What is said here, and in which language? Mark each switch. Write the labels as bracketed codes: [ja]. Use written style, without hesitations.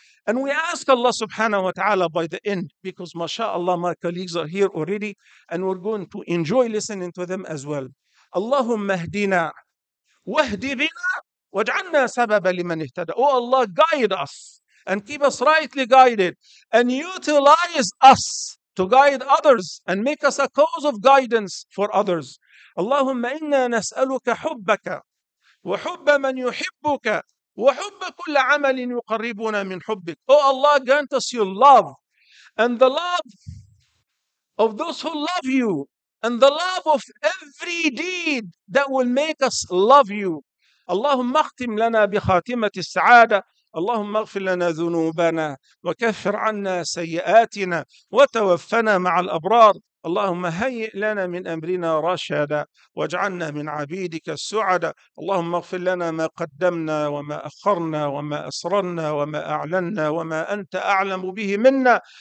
[en] And we ask Allah subhanahu wa ta'ala by the end, because mashallah, my colleagues are here already, and we're going to enjoy listening to them as well. [ar] Allahumma ahdina. وَهْدِ بِنَا وَاجْعَلْنَا سَبَبًا لِمَنْ اهْتَدَى. [en] Oh Allah, guide us and keep us rightly guided and utilize us to guide others and make us a cause of guidance for others. [ar] اللهم إنا نسألك حبك وحب من يحبك وحب كل عمل يقربنا من حبك. [en] Oh Allah, grant us your love and the love of those who love you, and the love of every deed that will make us love you. [ar] اللهم اختم لنا بخاتمة السعادة. اللهم اغفر لنا ذنوبنا وكفر عنا سيئاتنا وتوفنا مع الأبرار. اللهم هيئ لنا من أمرنا رشدا واجعلنا من عبيدك السعدة. اللهم اغفر لنا ما قدمنا وما أخرنا وما أسررنا وما أعلنا وما أنت أعلم به منا.